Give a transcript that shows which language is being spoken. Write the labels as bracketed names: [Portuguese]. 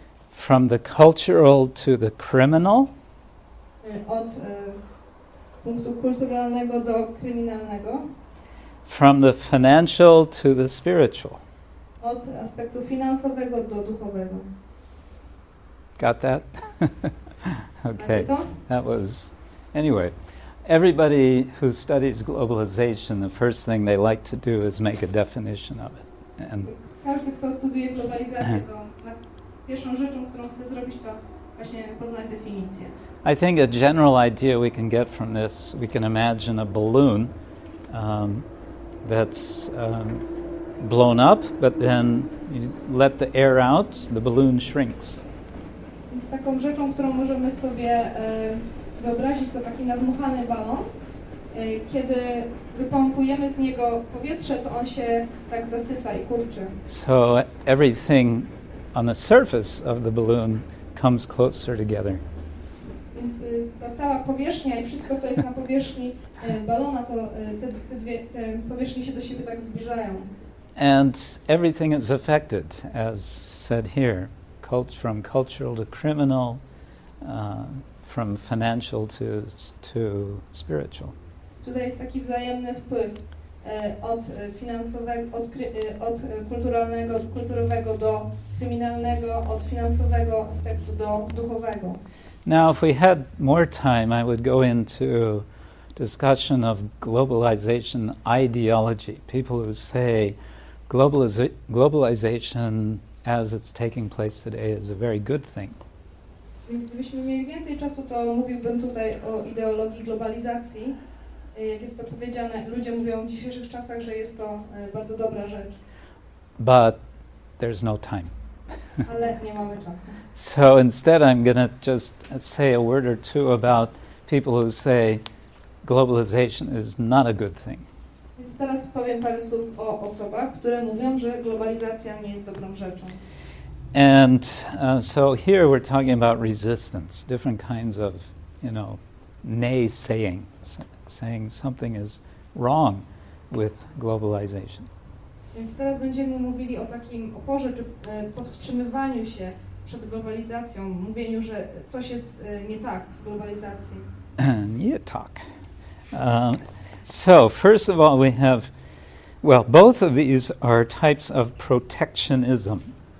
[English] From the cultural to the criminal. [Polish] Od punktu kulturalnego do kryminalnego. [English] From the financial to the spiritual. [Polish] Od aspektu finansowego do duchowego. [English] Got that? Okay. That was, anyway, everybody who studies globalization, the first thing they like to do is make a definition of it. And [Polish] każdy, kto studiuje globalizację, to pierwszą rzeczą, którą chce zrobić, to właśnie poznać definicję. [English] I think a general idea we can get from this, we can imagine a balloon that's blown up, but then you let the air out, the balloon shrinks. [Polish] Więc taką rzeczą, którą możemy sobie wyobrazić, to taki nadmuchany balon. Kiedy wypompujemy z niego powietrze, to on się tak zasysa i kurczy. [English] So everything on the surface of the balloon comes closer together. [Polish] Więc ta cała powierzchnia i wszystko, co jest na powierzchni balona, to te powierzchnie się do siebie tak zbliżają. [English] And everything is affected, as said here, from cultural to criminal, from financial to spiritual. [Polish] Tutaj jest taki wzajemny wpływ od kulturalnego, od kulturowego do kryminalnego, od finansowego aspektu do duchowego. [English] Now, if we had more time, I would go into discussion of globalization ideology. People who say globalization as it's taking place today is a very good thing. [Polish] Więc gdybyśmy mieli więcej czasu, to mówiłbym tutaj o ideologii globalizacji. Jak jest to powiedziane, ludzie mówią w dzisiejszych czasach, że jest to bardzo dobra rzecz. [English] But there's no time. [Polish] Ale nie mamy czasu. [English] So instead I'm going to just say a word or two about people who say globalization is not a good thing. [Polish] Więc teraz powiem parę słów o osobach, które mówią, że globalizacja nie jest dobrą rzeczą. [English] And so here we're talking about resistance, different kinds of, you know, naysaying, saying something is wrong with globalization. [Polish] Więc teraz będziemy mówili o takim oporze czy powstrzymywaniu się przed globalizacją, mówieniu, że coś jest nie tak w globalizacji. Nie tak. [English] So first of all, we have, well, both of these are types of protectionism.